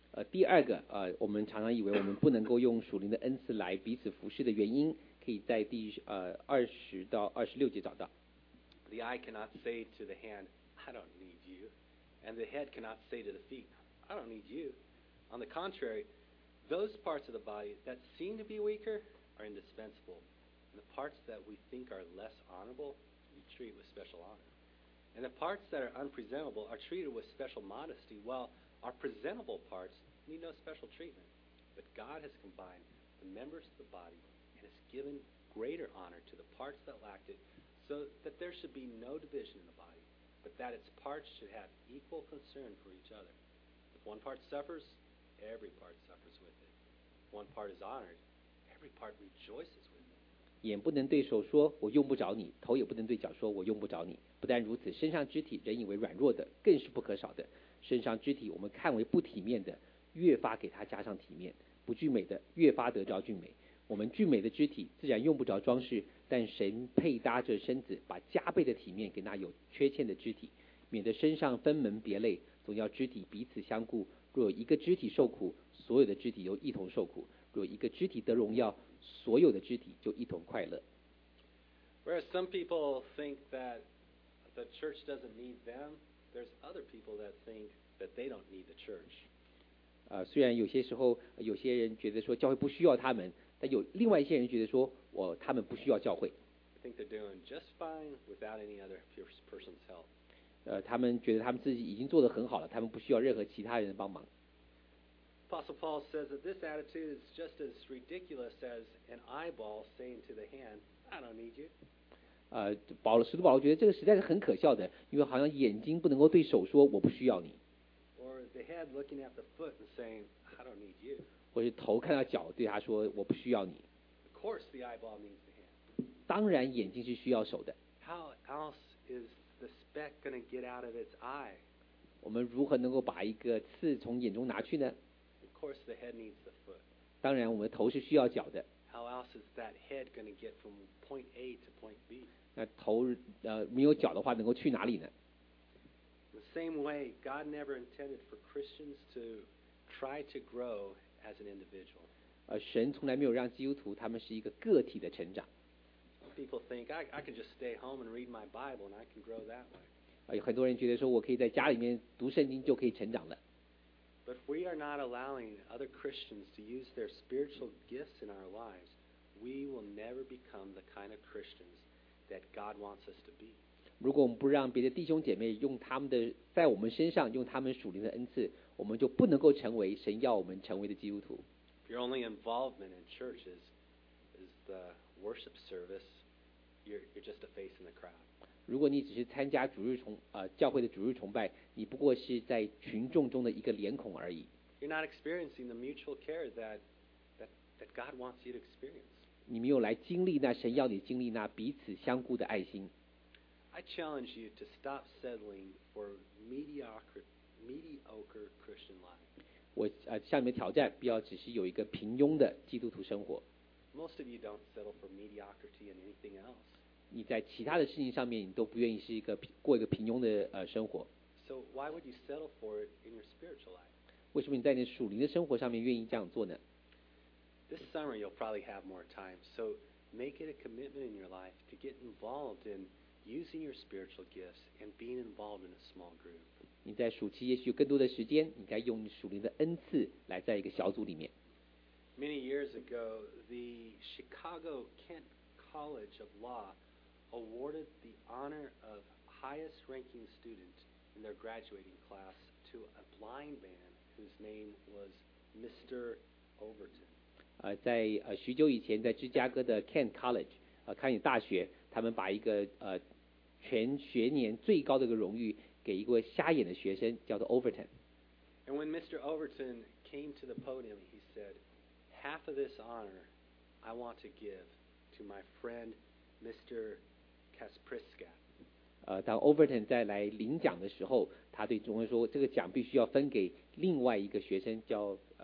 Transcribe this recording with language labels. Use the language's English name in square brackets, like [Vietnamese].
[Chinese] 第二个我们常常以为我们不能够用属灵的恩赐来彼此服事的原因，可以在第20到26节找到。 [English] The eye cannot say to the hand, I don't need you. And the head cannot say to the feet, I don't need you. On the contrary, those parts of the body that seem to be weaker are indispensable. And the parts that we think are less honorable, we treat with special honor. And the parts that are unpresentable are treated with special modesty, while our presentable parts need no special treatment. But God has combined the members of the body and has given greater honor to the parts that lacked it, so that there should be no division in the body, but that its parts should have equal concern for each other. If one part suffers, every part suffers with it. If one part is honored, every part rejoices with it. [Chinese] 眼不能对手说我用不着你，头也不能对脚说我用不着你。不但如此，身上肢体人以为软弱的，更是不可少的。身上肢体我们看为不体面的，越发给它加上体面；不俊美的，越发得着俊美。我们俊美的肢体自然用不着装饰，但神配搭着身子，把加倍的体面给那有缺欠的肢体，免得身上分门别类，总要肢体彼此相顾。若有一个肢体受苦，所有的肢体又一同受苦；若一个肢体得荣耀，所有的肢体就一同快乐。 [English] Whereas some people think that the church doesn't need them, there's other people that think that they don't need the church. [Chinese] 虽然有些时候有些人觉得说教会不需要他们，但有另外一些人觉得说他们不需要教会。 [English] I think they're doing just fine without any other person's help. [Chinese] 他们觉得他们自己已经做得很好了，他们不需要任何其他人的帮忙。 [English] Apostle Paul says that this attitude is just as ridiculous as an eyeball saying to the hand, I don't need you. [Chinese] 使徒保罗觉得这个实在是很可笑的，因为好像眼睛不能够对手说我不需要你。 [English] Or the head looking at the foot and saying, I don't need you. [Chinese] 或是头看到脚对他说我不需要你。 [English] Of course the eyeball needs the hand. [Chinese] 当然眼睛是需要手的。 [English] How else is the speck going to get out of its eye? [Chinese] 我们如何能够把一个刺从眼中拿去呢？ [English] Of course, the head needs the foot. [Chinese] 当然，我们头是需要脚的。 [English] How else is that head going to get from point A to point B? [Chinese] 那头没有脚的话，能够去哪里呢？ [English] The same way, God never intended for Christians to try to grow as an individual. [Chinese] 神从来没有让基督徒他们是一个个体的成长。 [English] People think I can just stay home and read my Bible and I can grow that way. [Chinese] 有很多人觉得说我可以在家里面读圣经就可以成长了。 [English] But if we are not allowing other Christians to use their spiritual gifts in our lives, we will never become the kind of Christians that God wants us to be. [Chinese] 如果我们不让别的弟兄姐妹用他们的在我们身上用他们属灵的恩赐，我们就不能够成为神要我们成为的基督徒。 [English] If your only involvement in church is the worship service, you're just a face in the crowd. [Chinese] 如果你只是参加主日崇教会的主日崇拜，你不过是在群众中的一个脸孔而已。 [English] You're not experiencing the mutual care that God wants you to experience. [Chinese] 你没有来经历那神要你经历那彼此相顾的爱心。 [English] I challenge you to stop settling for mediocre Christian life. [Chinese] 我向你们挑战，不要只是有一个平庸的基督徒生活。 [English] Most of you don't settle for mediocrity in anything else. [Chinese] 你在其他的事情上面，你都不愿意是一个过一个平庸的生活。 [English] So why would you settle for it in your spiritual life? [Chinese] 为什么你在你属灵的生活上面愿意这样做呢？ [English] This summer you'll probably have more time, so make it a commitment in your life to get involved in using your spiritual gifts and being involved in a small group. [Chinese] 你在暑期也许有更多的时间，你该用你属灵的恩赐来在一个小组里面。 [English] Many years ago, the Chicago Kent College of Law awarded the honor of highest ranking student. In their graduating class to a blind man whose name was Mr. Overton. [Chinese] 在许久以前，在芝加哥的 Kent College， 康涅大学，他们把一个全学年最高的一个荣誉给一个瞎眼的学生，叫做 Overton. [English] And when Mr. Overton came to the podium, he said, "Half of this honor I want to give to my friend, Mr. Kaspriska." [Chinese] 当 Overton 在来领奖的时候，他对众人说：“这个奖必须要分给另外一个学生，叫